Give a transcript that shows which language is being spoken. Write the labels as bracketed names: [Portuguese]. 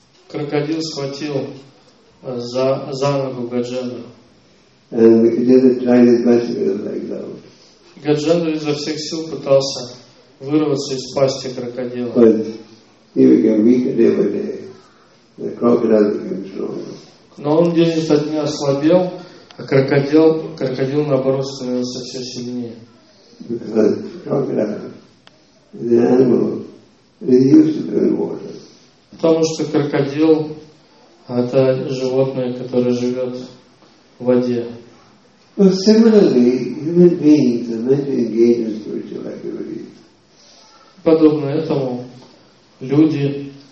[Russian] Крокодил схватил за ногу Гаджендру. [English] And Gajendra tried his best to get his legs out. [Russian] Гаджендра изо всех сил пытался вырваться из пасти крокодила. [English] But he became weaker every day. The crocodile became stronger. [Russian] Но он день за днем ослабел, а крокодил наоборот становился все сильнее. [English] Because the crocodile, the animal, is used to live in water. [Russian] Потому что крокодил это животное, которое живет в воде. [English] But similarly, human beings are meant to engage in spiritual activities. [Russian] Подобно этому люди.